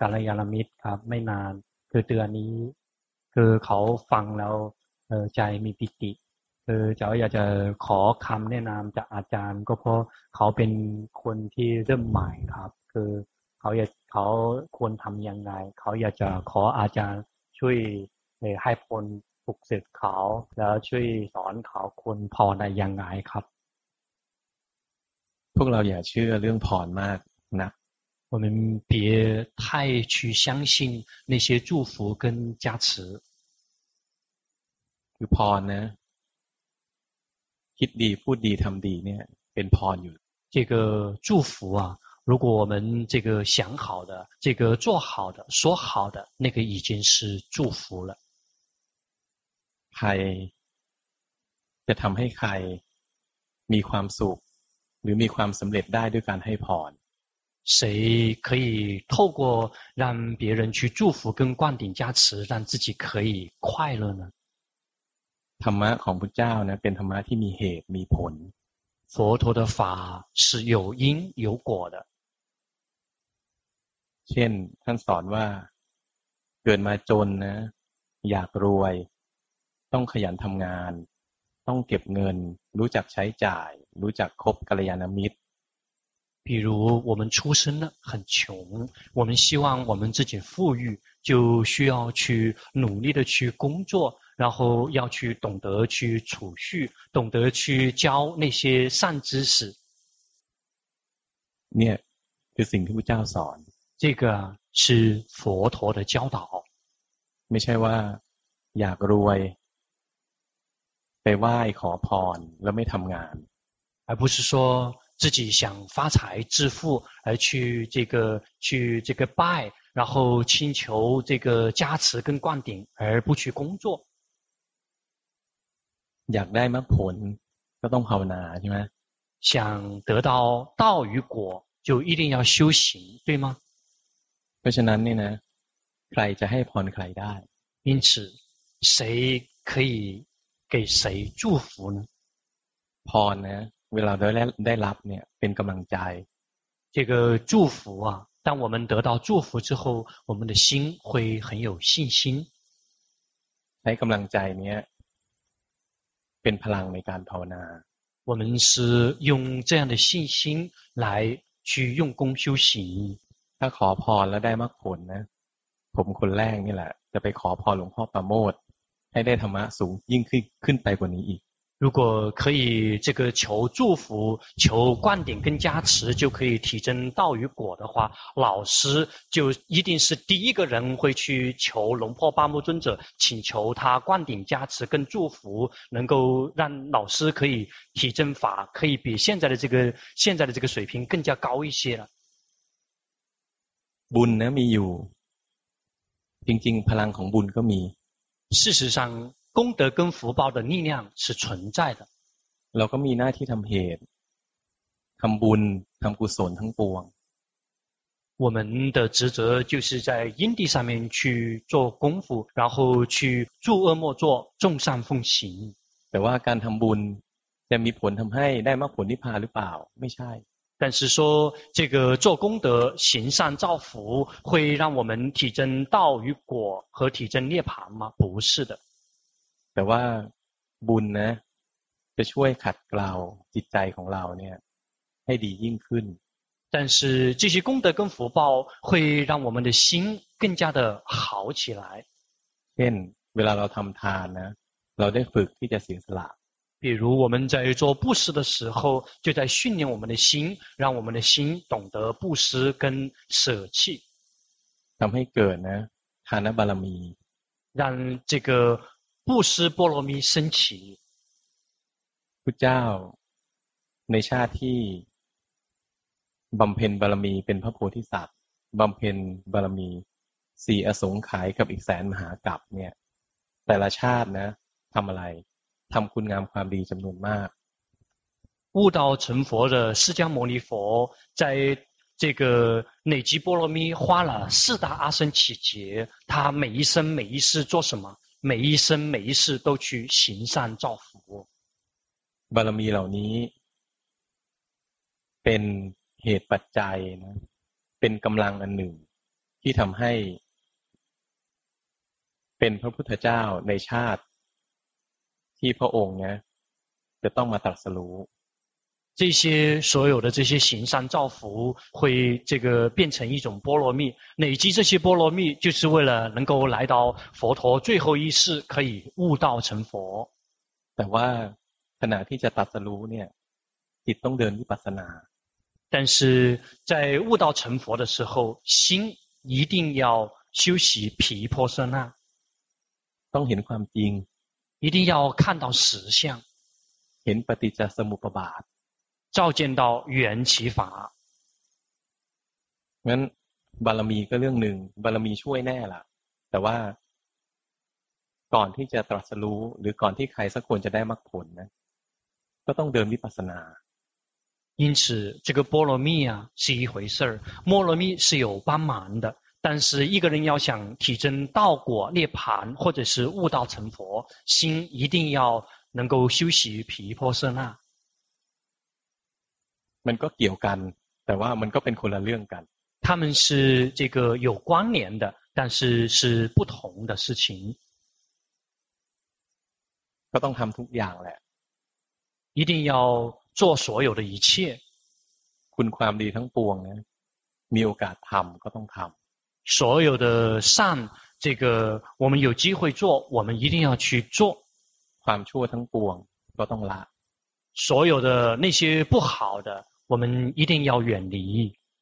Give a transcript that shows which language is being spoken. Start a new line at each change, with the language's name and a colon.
Thai: กัลยาณมิตรครับไม่นานคือเดือนนี้คือเขาฟังแล้วใจมีปิติคือเจ้าอยากจะขอคำแนะนำจากอาจารย์ก็เพราะเขาเป็นคนที่เริ่มใหม่ครับคือเขาควรทำยังไงเขาอยากจะขออาจารย์ช่วยให้คนฝึกศึกเขาแล้วช่วยสอนเขาคนพรได้ยังไงครับ พวกเราอย่าเชื่อเรื่องพรมากนะ
Chinese: 我们别太去相信那些祝福跟加持
Thai: คือพรนะคิดดีพูดดีทำดีเนี่ยเป็นพรอยู่
Chinese: 这个祝福啊如果我们这个想好的这个做好的说好的那个已经是祝福了
Thai: ใครจะทำให้ใครมีความสุขหรือมีความสำเร็จได้ด้วยการให้พร
Chinese: 谁可以透过让别人去祝福跟灌顶加持让自己可以快乐呢
Thai: ธรรมะของพระเจ้านะเป็นธรรมะที่มีเหตุมีผล
Chinese: 佛陀的法是有因有果的
Thai: เช่นท่านสอนว่าเกิดมาจนนะอยากรวยต้องขยันทำงานต้องเก็บเงินรู้จักใช้จ่ายรู้จักคบกัลยาณมิตร
Chinese: 比如我们出生很穷我们希望我们自己富裕就需要去努力的去工作然后要去懂得去储蓄懂得去教那些善知识
Thai: เนี่ยคือสิ่งที่พระเจ้าสอน
Chinese: 这个是佛陀的教导
Thai: ไม่ใช่ว่าอยากรวยไปไหว้ขอพรแล้วไม่ทำงาน
Chinese: 而不是说自己想发财致富而去这个拜然后请求这个加持跟灌顶而不去工作
Thai: อยากได้มรรคผลก็ต้องภาวนาใช่ไหม
Chinese: 想得到道与果就一定要修行对吗
Thai: เพราะฉะนั้นเนี่ยนะใครจะให้พรใครได้
Chinese: 因此谁可以给谁祝福呢
Thai: พรนะเวลาได้รับเนี่ยเป็นกำลังใจ
Chinese: 这个祝福啊当我们得到祝福之后我们的心会很有信心
Thai: ใช้กำลังใจเนี่ยเป็นพลังในการภาวนา
Chinese: 我们是用这样的信心来去用功修行
Thai: ถ้าขอพรแล้วได้มรรคผลนะผมคนแรกนี่แหละจะไปขอพรหลวงพ่อประโมทให้ได้ธรรมะสูงยิ่งขึ้นไปกว่านี้อีก
Chinese: 如果可以这个求祝福求灌顶跟加持就可以提升道与果的话老师就一定是第一个人会去求龙破八目尊者请求他灌顶加持跟祝福能够让老师可以提升法可以比现在的这个水平更加高一些了
Thai: บุญนะมีอยู่จริงๆพลังของบุญก็มี
Chinese: 事实上功德跟福报的力量是存在的
Thai: เราก็มีหน้าที่ทำเหตุทำบุญทำกุศลทั้งปวง
Chinese: 我们的职责就是在因地上面去做功夫然后去诸恶莫作众善奉行
Thai: แต่ว่าการทำบุญจะมีผลทำให้ได้มรรคผลนิพพานหรือเปล่าไม่ใช่
Chinese: 但是说这个做功德行善造福会让我们体证道与果和体证涅槃吗不是的
Thai: แต่ว่าบุญนะจะช่วยขัดเกลาจิตใจของเราเนี่ยให้ดียิ่งขึ้น
Chinese: 但是这些功德跟福报会让我们的心更加的好起来
Thai: เช่นเวลาเราทำทานนะเราได้ฝึกที่จะเสียสละ
Chinese: 比如我们在做布施的时候就在训练我们的心让我们的心懂得布施跟舍弃
Thai: ทำให้เกิดนะทานบารมี
Chinese: 让这个布施波罗蜜升起
Thai: พระเจ้าในชาติที่บำเพ็ญบารมีเป็นพระโพธิสัตว์บำเพ็ญบารมีสี่อสงไขยกับอีกแสนมหากัปเนี่ยแต่ละชาตินะทำอะไรทำคุณงามความดีจำนวนมาก
Chinese: 悟道成佛的释迦牟尼佛在这个累积波罗蜜花了四大阿僧祇劫他每一生每一世做什么每一生每一世都去行善造福
Thai: บารมีเหล่านี้เป็นเหตุปัจจัยนะเป็นกำลังอันหนึ่ง ที่ทำให้เป็นพระพุทธเจ้าในชาติที่พระองค์เนี่ยจะต้องมาตรัสรู้
Chinese: 这些所有的这些行善造福会这个变成一种波罗蜜累积这些波罗蜜就是为了能够来到佛陀最后一世可以悟道成佛
Thai: แต่ว่าขณะที่จะตรัสรู้เนี่ยจิตต้องเดินวิปัสสนา
Chinese: 但是在悟道成佛的时候心一定要修习毗婆舍那
Thai: ต้องเห็นความจริง
Chinese: 一定要看到实相
Thai: เห็นปฏิจจสมุปบาท
Chinese: 照见到缘起法
Thai: งั้นบารมีก็เรื่องหนึ่งบารมีช่วยแน่ล่ะแต่ว่าก่อนที่จะตรัสรู้หรือก่อนที่ใครสักคนจะได้มรรคผลนะก็ต้องเดินวิปัสสนา
Chinese: 因此这个波罗蜜啊是一回事儿波罗蜜是有帮忙的但是一个人要想体证道果涅槃或者是悟道成佛心一定要能够修习毗婆舍那
Thai: มันก็เกี่ยวกันแต่ว่ามันก็เป็นคนละเรื่องกัน
Chinese: 他们是这个有关联的但是是不同的事情
Thai: ก็ต้องทำทุกอย่างแหละ
Chinese: 一定要做所有的一切
Thai: คุณความดีทั้งปวงนะมีโอกาสทำก็ต้องทำ
Chinese: 所有的善这个我们有机会做我们一定要去做
Thai: ความชั่วทั้งปวงก็ต้องละ
Chinese: 所有的那些不好的我们一定要远离